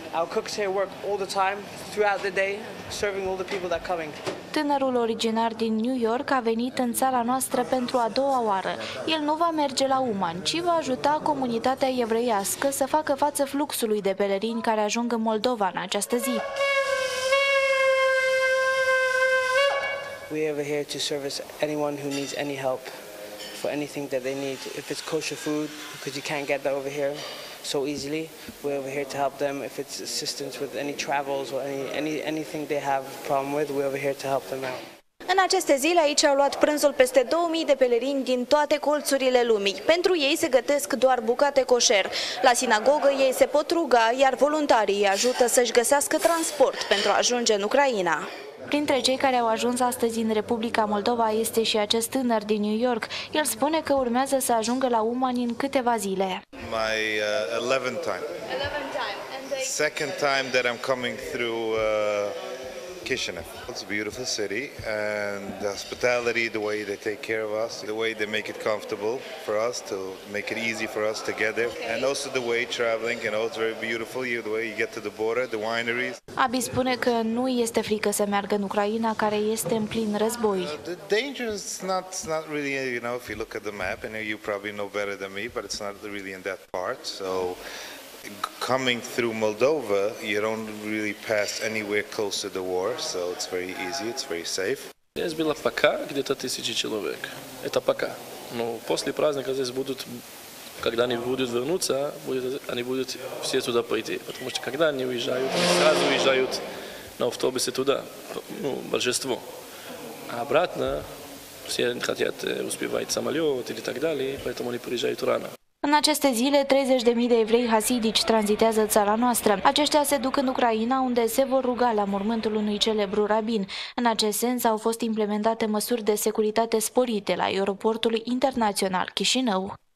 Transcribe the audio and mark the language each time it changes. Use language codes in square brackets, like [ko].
[en] Our cooks here work all the time, throughout the day, serving all the people that are coming. [ro] Tânărul originar din New York a venit în țara noastră pentru a doua oară. El nu va merge la Uman, ci va ajuta comunitatea evreiască să facă față fluxului de pelerini care ajung în Moldova în această zi. [en] We are here to service anyone who needs any help for anything that they need. If it's kosher food, because you can't get that over here so easily, we're over here to help them. If it's assistance with any travels or anything they have problem with, we're over here to help them out. [ro] În aceste zile aici au luat prânzul peste 2000 de pelerini din toate colțurile lumii. Pentru ei se gătesc doar bucate coșer. La sinagogă ei se pot ruga, iar voluntarii îi ajută să-și găsească transport pentru a ajunge în Ucraina. Printre cei care au ajuns astăzi în Republica Moldova este și acest tânăr din New York. El spune că urmează să ajungă la Uman în câteva zile. [en] My 11th time. 11th time. Second time that I'm coming through Chișinău. It's a beautiful city and the hospitality, the way they take care of us, the way they make it comfortable for us, to make it easy for us together. Okay. And also the way traveling, you know, it's very beautiful, the way you get to the border, the wineries. [ro] Abi spune că nu este frică să meargă în Ucraina, care este în plin război. [en] The danger is not really, you know, if you look at the map, and you probably know better than me, but it's not really in that part, so... Coming through Moldova, you don't really pass anywhere close to the war, so it's very easy, it's very safe. [ru] Здесь было пока где-то 1000 человек. Это пока. Но после праздника здесь будут, когда они будут вернуться, они будут все туда пойти. Потому что когда они уезжают, сразу уезжают на автобусе туда, ну, большинство. А обратно все хотят успевать самолет или так далее, поэтому они приезжают рано. [ro] În aceste zile, 30.000 de evrei hasidici tranzitează țara noastră. Aceștia se duc în Ucraina, unde se vor ruga la mormântul unui celebru rabin. În acest sens, au fost implementate măsuri de securitate sporite la aeroportul internațional Chișinău.